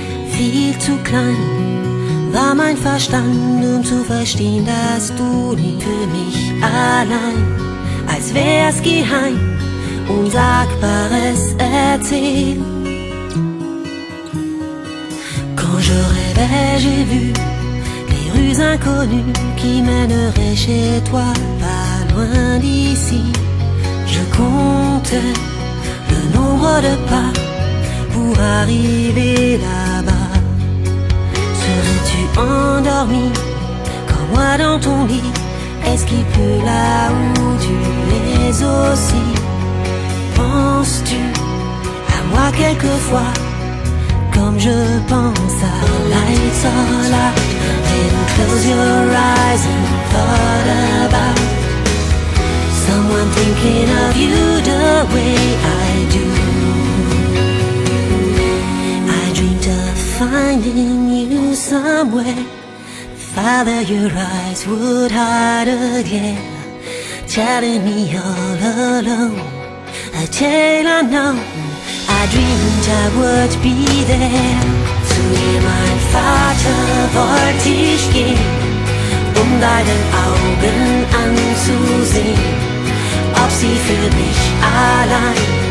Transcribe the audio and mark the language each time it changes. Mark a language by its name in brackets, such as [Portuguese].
[German] Viel zu klein war mein Verstand, um zu verstehen, dass du nie für mich allein. Als wär's geheim, Unsagbares erzählen. [French] Quand je rêvais, j'ai vu les rues inconnues qui mèneraient chez toi, pas loin d'ici. Je comptais le nombre de pas pour arriver là-bas. Serais-tu endormi comme moi dans ton lit? Est-ce qu'il pleut là où tu es aussi? Penses-tu à moi quelquefois? Comme je pense à [English] lights all out, didn't close your eyes and thought about someone thinking of you the way I do. I dreamed of finding you somewhere, father, your eyes would hide again, telling me all alone a tale unknown. I dreamed I would be there [German] zu dir, mein Vater, wollte ich gehen, um deinen Augen anzusehen, ob sie für mich allein